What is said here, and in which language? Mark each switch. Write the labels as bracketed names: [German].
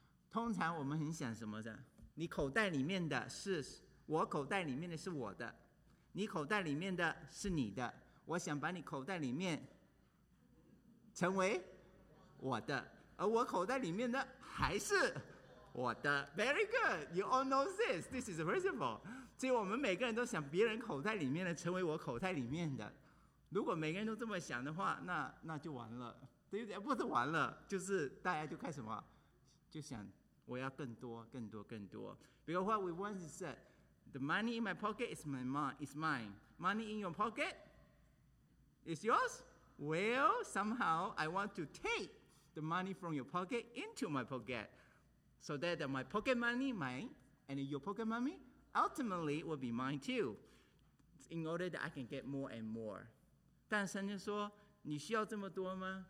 [Chinese] 通常我们很想什么的，你口袋里面的是我，口袋里面的是我的，你口袋里面的是你的，我想把你口袋里面成为我的，而我口袋里面的还是我的。 [English] Very good, you all know this, this is a principle. [Chinese] 所以我们每个人都想别人口袋里面的成为我口袋里面的，如果每个人都这么想的话，那就完了，对不对？不是完了，就是大家就开始什么，就想我要更多更多更多。 [English] Because what we want is that the money in my pocket is my mind, is mine. Money in your pocket is yours. Well, somehow I want to take the money from your pocket into my pocket, so that my pocket money mine and your pocket money ultimately will be mine too, in order that I can get more and more. [Chinese] 但圣经说，你需要这么多吗？